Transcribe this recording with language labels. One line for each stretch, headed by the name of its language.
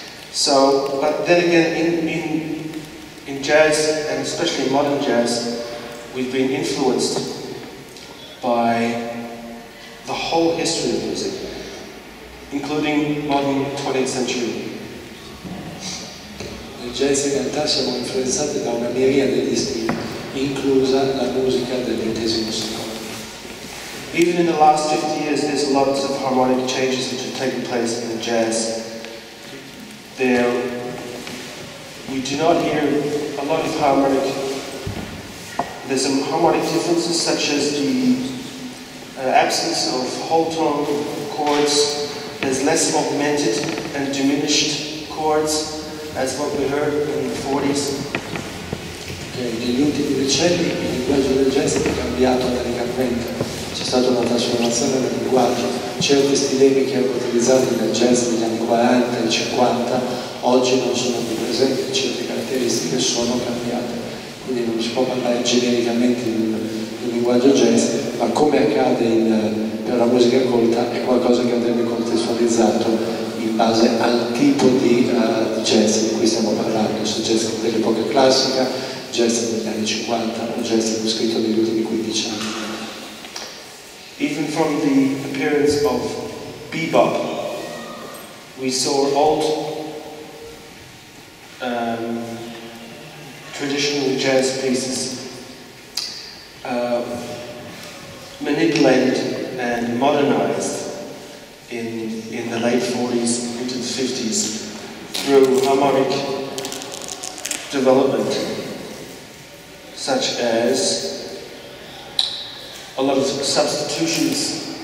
English: So, but then again, in jazz and especially in modern jazz, we've been influenced by the whole history of music, including modern 20th century.
Italian: Il jazz in realtà siamo influenzati da una miriade di stili, inclusa la musica del XX secolo.
English: Even in the last 50 years, there's lots of harmonic changes which have taken place in the jazz. We do not hear a lot of harmonic. There's some harmonic differences, such as the absence of whole tone chords. There's less augmented and diminished chords, as what we heard in the 40s.
Italian: Negli ultimi decenni il linguaggio del jazz è cambiato radicalmente. C'è stata una trasformazione del linguaggio. Certi stilemi che erano utilizzati nel jazz negli anni 40 e 50 oggi non sono più presenti, certe caratteristiche sono cambiate. Quindi non si può parlare genericamente del linguaggio jazz, ma come accade per la musica colta è qualcosa che andrebbe contestualizzato in base al tipo di jazz di cui stiamo parlando, se jazz dell'epoca classica, jazz degli anni 50 o jazz scritto negli ultimi 15 anni.
English: Even from the appearance of bebop, we saw old traditional jazz pieces manipulated and modernized in the late 40s into the 50s through harmonic development, such as a lot of substitutions.